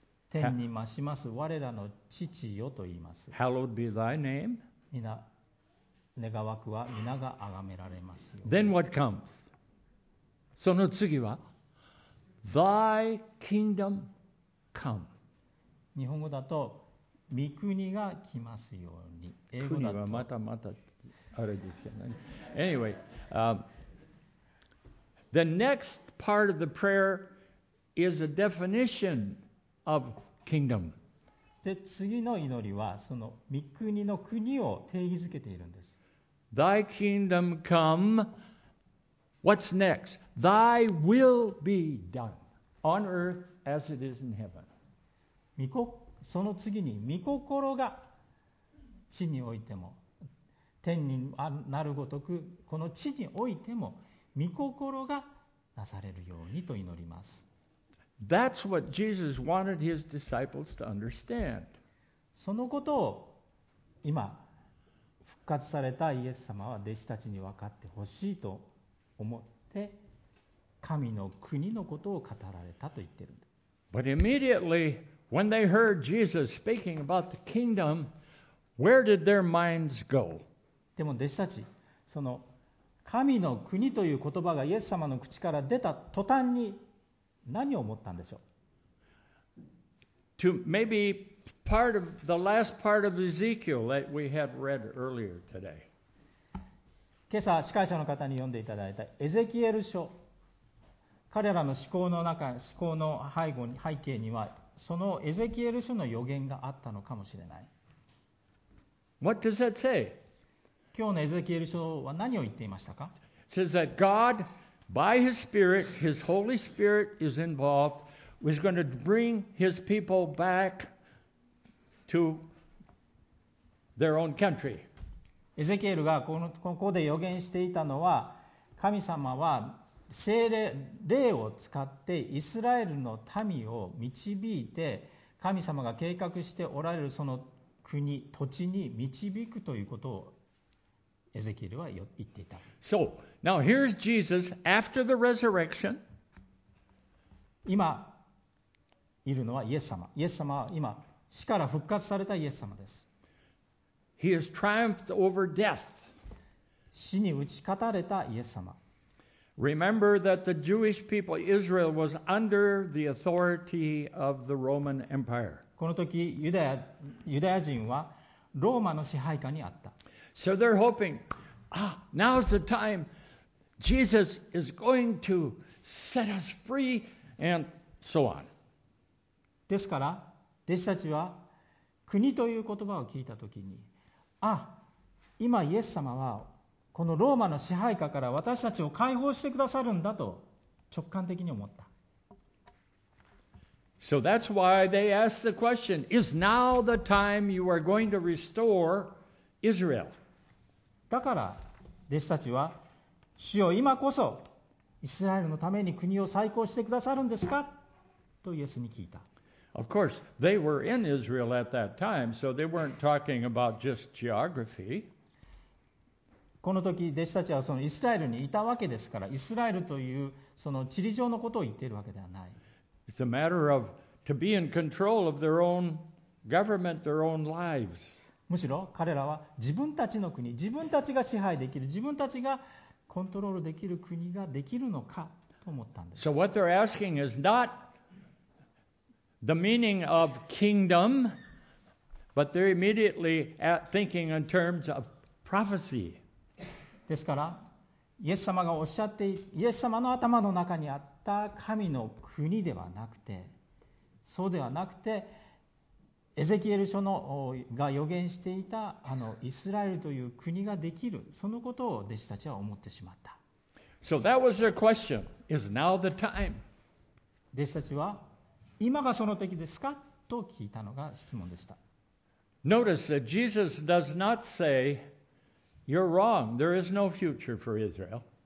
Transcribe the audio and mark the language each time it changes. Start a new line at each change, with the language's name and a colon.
Japanese: 天に増します我らの父よと言います。
English: Hallowed be thy name.
Japanese: 皆願わくは皆が崇められますように
English: 。 Then what comes?
Japanese: その次は
English: Thy kingdom come.
Japanese: 日本語だと御国が来ますように。英語だと国はまたまたあれですけどね。
English: Anyway, the next part of the prayer is a definition of kingdom.
Japanese: で次の祈りはその御国の国を定義づけているんです。
English: Thy kingdom come. What's next? Thy will be done on earth as it is in heaven.
Japanese: その次に御心が地においても天になるごとくこの地においても御心がなされるようにと祈ります。
English: That's what Jesus wanted his disciples to understand.
Japanese: そのことを今復活されたイエス様は弟子たちに分かってほしいと思って神の国のことを語られたと言ってるんだ。
English: But immediately when they heard Jesus speaking about the kingdom, where did their minds go?
Japanese: でも弟子たち、その神の国という言葉がイエス様の口から出た途端に何を思ったんでしょう。
English: To maybe part of the last part of Ezekiel that we had read earlier today.
Japanese: 今朝司会者の方に読んでいただいたエゼキエル書、彼らの思考の中、思考の背後に、背景にはそのエゼキエル書の予言があったのかもしれない。
English: What does that say?
Japanese: 今日のエゼキエル書は何を言っていましたか。
English: It says that GodBy His Spirit, His Holy Spirit is involved, was going to bring His people back to their own country.
Japanese: エゼキエルがここで予言していたのは、神様は聖霊、霊を使ってイスラエルの民を導いて、神様が計画しておられるその国、土地に導くということをエゼキエルは言っていた。
English: So, now here's Jesus after the resurrection.
Japanese: 今いるのはイエス様。イエス様は今死から復活されたイエス様です。
English: He has triumphed over death.
Japanese: 死に打ち勝たれたイエス様。
English: Remember that the Jewish people, Israel, was under the authority of the Roman Empire.
Japanese: この時、ユダヤ人はローマの支配下にあった。
English: So they're hoping, now's the time. Jesus is going to set us free and so on.
Japanese: ですから、弟子たちは国という言葉を聞いた時に、今イエス様はこのローマの支配下から私たちを解放してくださるんだと直感的に思った。
English: So that's why they asked the question, is now the time you are going to restore Israel?
Japanese: だから弟子たちは、主よ今こそイスラエルのために国を再興してくださるんですかとイエスに聞いた。
English: Of course, they were in Israel at that time, so they weren't talking about just geography.
Japanese: この時、弟子たちはそのイスラエルにいたわけですから、イスラエルというその地理上のことを言っているわけではない。
English: It's a matter of to be in control of their own government, their own lives.
Japanese: むしろ彼らは自分たちの国、自分たちが支配できる、自分たちがコントロールできる国ができるのかと思ったんです。
English: So what they're asking is not the meaning of kingdom, but they're immediately thinking in terms of prophecy.
Japanese: ですから、イエス様がおっしゃって、イエス様の頭の中にあった神の国ではなくて、そうではなくて、エゼキエル書のが予言していたあのイスラエルという国ができる、そのことを弟子たちは思ってしまった。
English: So that was their question. Is now the time?
Japanese: 弟子たちは、今がその時ですかと聞いたのが質問でした。
English: Notice that Jesus does not say, You're wrong. There is no future for Israel.